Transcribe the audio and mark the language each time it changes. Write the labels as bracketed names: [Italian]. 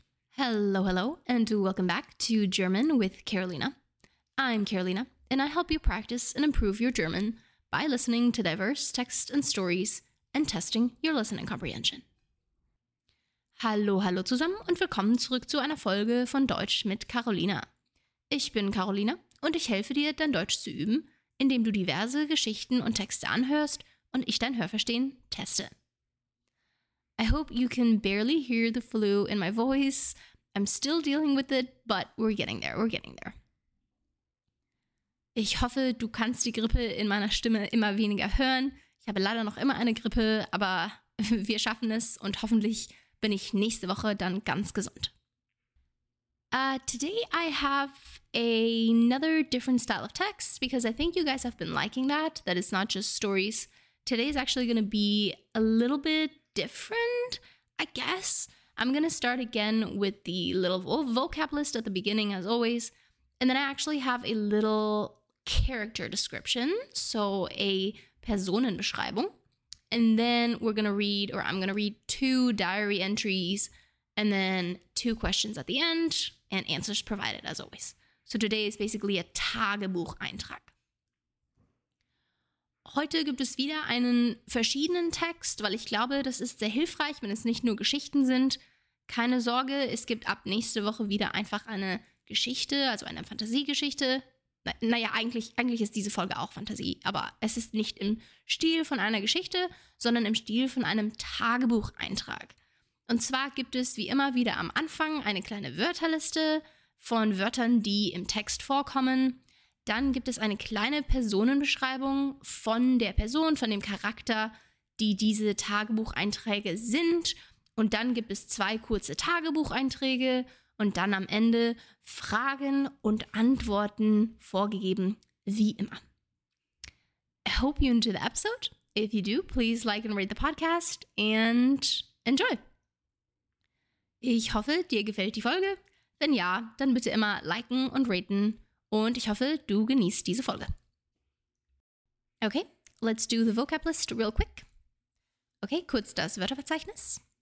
[English] Hello, hello, and welcome back to German with Carolina. I'm Carolina, and I help you practice and improve your German by listening to diverse texts and stories and testing your listening comprehension. [German] Hallo, hallo zusammen und willkommen zurück zu einer Folge von Deutsch mit Carolina. Ich bin Carolina und ich helfe dir, dein Deutsch zu üben, indem du diverse Geschichten und Texte anhörst und ich dein Hörverstehen teste. [English] I hope you can barely hear the flu in my voice. I'm still dealing with it, but we're getting there, we're getting there. [German] Ich hoffe, du kannst die Grippe in meiner Stimme immer weniger hören. Ich habe leider noch immer eine Grippe, aber wir schaffen es und hoffentlich bin ich nächste Woche dann ganz gesund. [English] Today I have another different style of text because I think you guys have been liking that, that it's not just stories. Today is actually going to be a little bit different, I guess. I'm going to start again with the little vocab list at the beginning, as always. And then I actually have a little character description, so a Personenbeschreibung. And then we're going to read, or I'm going to read two diary entries and then two questions at the end and answers provided, as always. So today is basically a Tagebucheintrag. [German] Heute gibt es wieder einen verschiedenen Text, weil ich glaube, das ist sehr hilfreich, wenn es nicht nur Geschichten sind. Keine Sorge, es gibt ab nächste Woche wieder einfach eine Geschichte, also eine Fantasiegeschichte. Naja, eigentlich ist diese Folge auch Fantasie, aber es ist nicht im Stil von einer Geschichte, sondern im Stil von einem Tagebucheintrag. Und zwar gibt es wie immer wieder am Anfang eine kleine Wörterliste von Wörtern, die im Text vorkommen. Dann gibt es eine kleine Personenbeschreibung von der Person, von dem Charakter, die diese Tagebucheinträge sind. Und dann gibt es zwei kurze Tagebucheinträge und dann am Ende Fragen und Antworten vorgegeben, wie immer. [English] I hope you enjoy the episode. If you do, please like and rate the podcast and enjoy. [German] Ich hoffe, dir gefällt die Folge. Wenn ja, dann bitte immer liken und raten. Und ich hoffe, du genießt diese Folge. [English] Okay, let's do the vocab list real quick. [German] Okay, kurz das Wörterverzeichnis.